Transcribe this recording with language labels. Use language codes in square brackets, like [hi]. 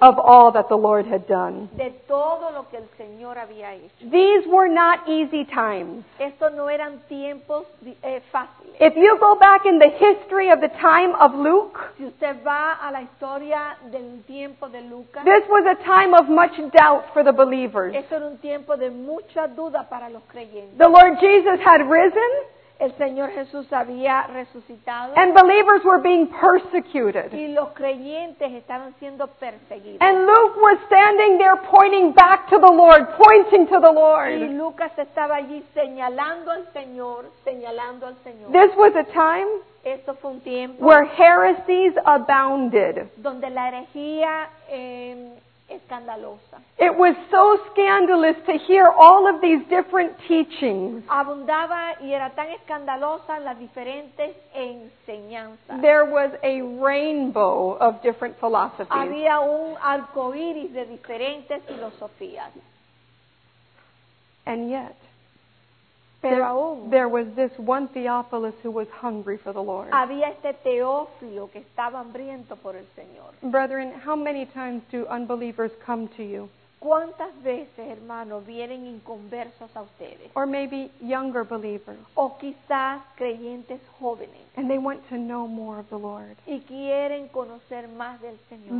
[en] Of all that the Lord had done. [es] De todo lo que el Señor había hecho. [en] These were not easy times. [es] Esto no eran tiempos fáciles. [en] If you go back in the history of the time of Luke. [es] Si usted va a la historia del tiempo de Lucas. [en] This was a time of much doubt for the believers. [es] Esto era un tiempo de mucha duda para los creyentes. [en] The Lord Jesus had risen. [es] El Señor Jesús había resucitado. [en] And believers were being persecuted. [es] Y los creyentes estaban siendo perseguidos. [en] And Luke was standing there pointing back to the Lord, pointing to the Lord. [es] Y Lucas estaba allí señalando al Señor, señalando al Señor. [en] This was a time. [es] Esto fue un tiempo. [en] Where heresies abounded. [es] Donde la herejía escandalosa. [en] It was so scandalous to hear all of these different teachings. [es] Abundaba y era tan escandalosa las diferentes enseñanzas. [en] There was a rainbow of different philosophies. [es] Había un arcoíris de diferentes filosofías. [en] And yet, [es] pero aún, [en] there was this one Theophilus who was hungry for the Lord. [es] Había este Teófilo que estaba hambriento por el Señor. [en] Brethren, how many times do unbelievers come to you? [es] ¿Cuántas veces, hermano, vienen inconversos a ustedes? [en] Or maybe younger believers. [es] O quizás creyentes jóvenes. [en] And they want to know more of the Lord. [es] Y quieren conocer más del Señor.